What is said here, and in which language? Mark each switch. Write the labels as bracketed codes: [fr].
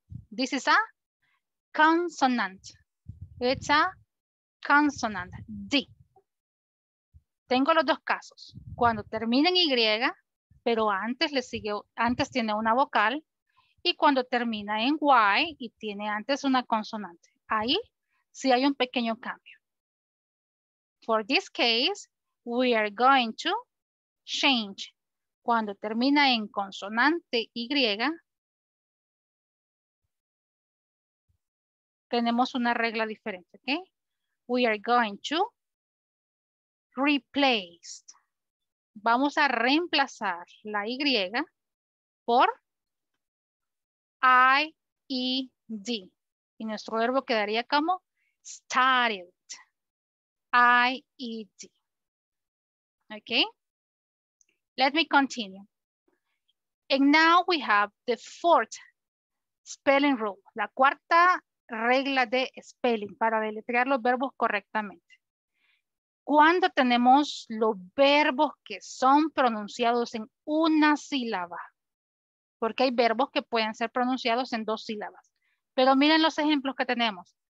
[en] This is a consonant. It's a consonant, D. [es] Tengo los dos casos. Cuando termina en Y, pero antes le sigue, antes tiene una vocal. Y cuando termina en Y y tiene antes una consonante. Ahí sí hay un pequeño cambio. [en] For this case, we are going to change. [es] Cuando termina en consonante Y, tenemos una regla diferente, ¿ok? [en] We are going to replace. [es] Vamos a reemplazar la Y por IED. Y nuestro verbo quedaría como started. [en] IED. [es] ¿Ok? [en] Let me continue. And now we have the fourth spelling rule. [es] La cuarta regla de spelling para deletrear los verbos correctamente. Cuando tenemos los verbos que son pronunciados en una sílaba, porque hay verbos que pueden ser pronunciados en dos sílabas, pero miren los ejemplos que tenemos.